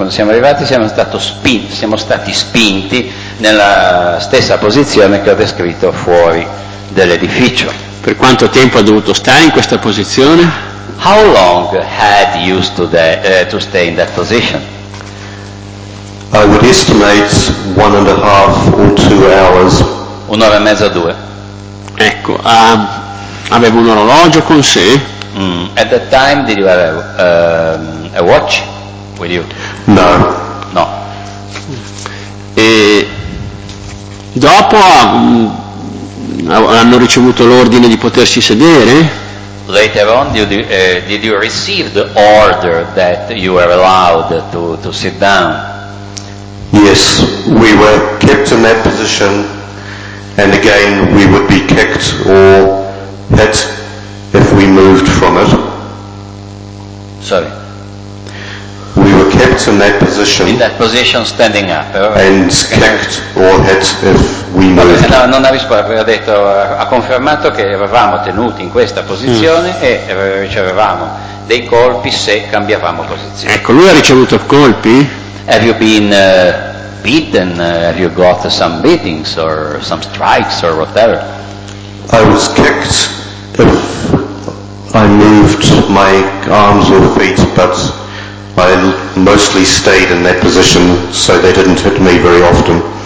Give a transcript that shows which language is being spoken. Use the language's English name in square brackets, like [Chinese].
[Italian] Quando siamo arrivati siamo stati spinti nella stessa posizione che ho descritto fuori dell'edificio. Per quanto tempo ha dovuto stare in questa posizione? [English] How long had you to stay in that position? I would estimate 1.5 or 2 hours. [Italian] Un'ora e mezza, due. Ecco, avevo un orologio con sé. [English] At that time, did you have a watch with you? No. [Italian] No. E dopo hanno ricevuto l'ordine di potersi sedere? [English] Later on, did you receive the order that you were allowed to sit down? Yes, we were kept in that position, and again, we would be kicked or hit. If we moved from it. Sorry. We were kept in that position. In that position, standing up. Right. And kicked or hit if we moved. [Italian] No, non ha risposto, ha detto, ha confermato che eravamo tenuti in questa posizione e ricevevamo dei colpi se cambiavamo posizione. Ecco, lui ha ricevuto colpi? [English] Have you been beaten? Have you got some beatings or some strikes or whatever? I was kicked. If I moved my arms or feet, but I mostly stayed in that position, so they didn't hit me very often.